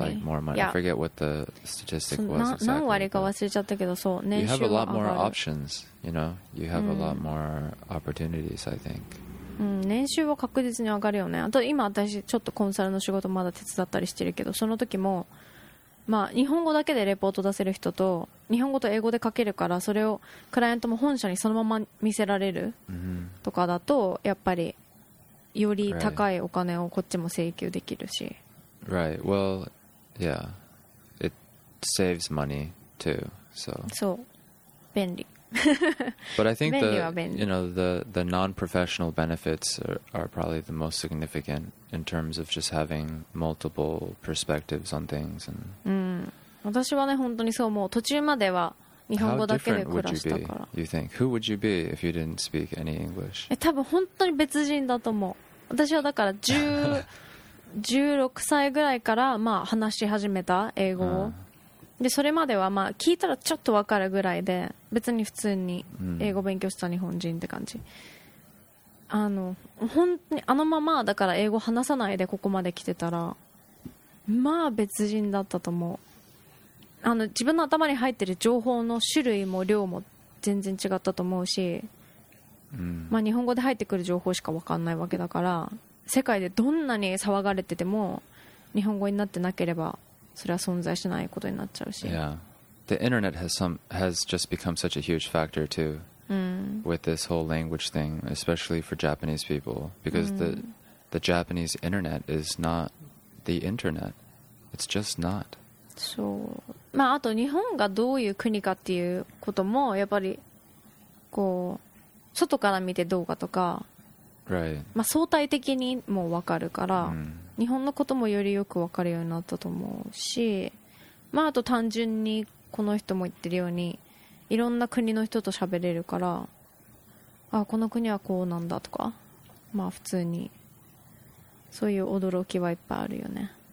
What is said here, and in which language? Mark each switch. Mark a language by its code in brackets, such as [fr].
[en] Like more money.、Yeah. I forget what the statistic was [ja] exactly. 何割か忘れちゃったけど、そう、年収が上がる。 [en] You have a lot more options, you know. You have、うん、a lot more opportunities, I think. [ja] うん、年収は確実に上がるよね。あと今私ちょっとコンサルの仕事まだ手伝ったりしてるけど、その時もまあ日本語だけでレポート出せる人と日本語と英語で書けるから、それをクライアントも本社にそのまま見せられるとかだと、やっぱりより高いお金をこっちも請求できるし。 [en] Right, well, yeah, it saves money too, so. [ja] そう、便利。 [en] But I think the, you know, the non-professional benefits are probably the most significant in terms of just having multiple perspectives on things. And... [ja] うん。私はね、本当にそう思う。途中までは日本語だけで暮らしたから。 [en] How different would you be, you think? Who would you be if you didn't speak any English? [ja] 多分本当に別人だと思う。私はだから16歳ぐらいからまあ話し始めた英語を。でそれまではまあ聞いたらちょっと分かるぐらいで、別に普通に英語勉強した日本人って感じ、うん、あの本当にあのままだから英語話さないでここまで来てたら、まあ別人だったと思う。あの自分の頭に入ってる情報の種類も量も全然違ったと思うし、うん、まあ日本語で入ってくる情報しか分かんないわけだから、世界でどんなに騒がれてても日本語になってなければそれは存在しないことになっちゃうし。 [en] Yeah. The internet has just become such a huge factor too、うん、 with this whole language thing, especially for Japanese people, because、うん、the Japanese internet is not the internet. It's just not. [ja] そう。まああと日本がどういう国かっていうこともやっぱりこう外から見てどうかとか、 [en] right. [ja] まあ相対的にも分かるから。うん、日本のこともよりよく分かるようになったと思うし、まああと単純にこの人も言ってるように、いろんな国の人と喋れるから、あ、この国はこうなんだとか、まあ普通にそういう驚きはいっぱいあるよね。